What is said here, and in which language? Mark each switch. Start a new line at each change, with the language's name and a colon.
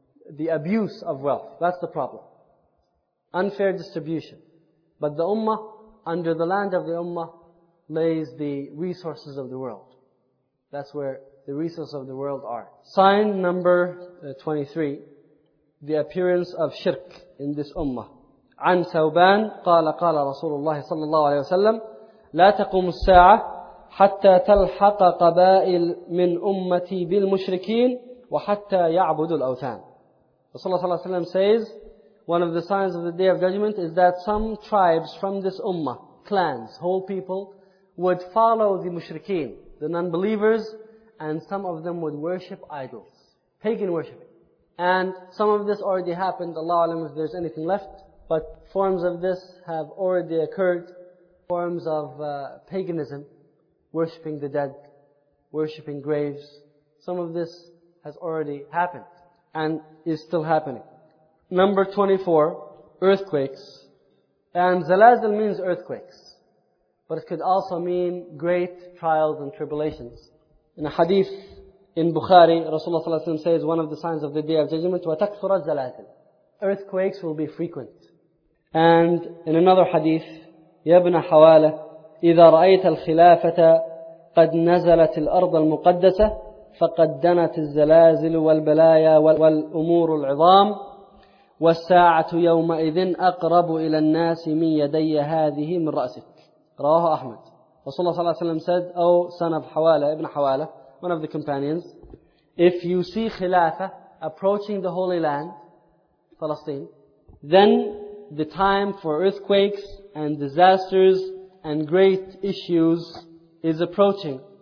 English: The abuse of wealth. That's the problem. Unfair distribution. But the ummah, under the land of the ummah, lays the resources of the world. That's where the resources of the world are. Sign number 23, the appearance of shirk in this ummah.
Arabic: عن ثوبان قال قال رسول الله صلى الله عليه وسلم لا تقوم الساعة حتى تلحق قبائل من أمتي بالمشركين وحتى يعبدوا الأوثان.
English: رسول الله صلى الله عليه وسلم says, one of the signs of the day of judgment is that some tribes from this ummah, clans, whole people, would follow the mushrikeen, the non-believers, and some of them would worship idols, pagan worshiping. And some of this already happened, Allah alam if there's anything left, but forms of this have already occurred, forms of paganism, worshiping the dead, worshiping graves. Some of this has already happened and is still happening. Number 24, earthquakes. And zalazil means earthquakes, but it could also mean great trials and tribulations. In a hadith in Bukhari, Rasulullah ﷺ says, one of the signs of the Day of Judgment,
Arabic: وَتَكْثُرَ الزَّلَاتِ.
English: Earthquakes will be frequent.
Arabic: And in another hadith, يَبْنَ حَوَالَ إِذَا رَأَيْتَ الْخِلَافَةَ قَدْ نَزَلَتِ الْأَرْضَ الْمُقَدَّسَةِ فَقَدْ دَنَتِ الزَّلَازِلُ وَالْبَلَايَا وَالْأُمُورُ الْعِظَامُ وَالسَّاعَةُ يَوْمَئِذٍ أَقْرَبُ إِلَى النَّاسِ مِنْ يَدَيَّ هَذِهِ مِنْ رَأْسِكَ. رواه أحمد.
English: Rasulullah صلى الله عليه وسلم said, oh son of Hawala, Ibn Hawala, one of the companions, if you see Khilafah approaching the Holy Land, Palestine, then the time for earthquakes and disasters and great issues is approaching.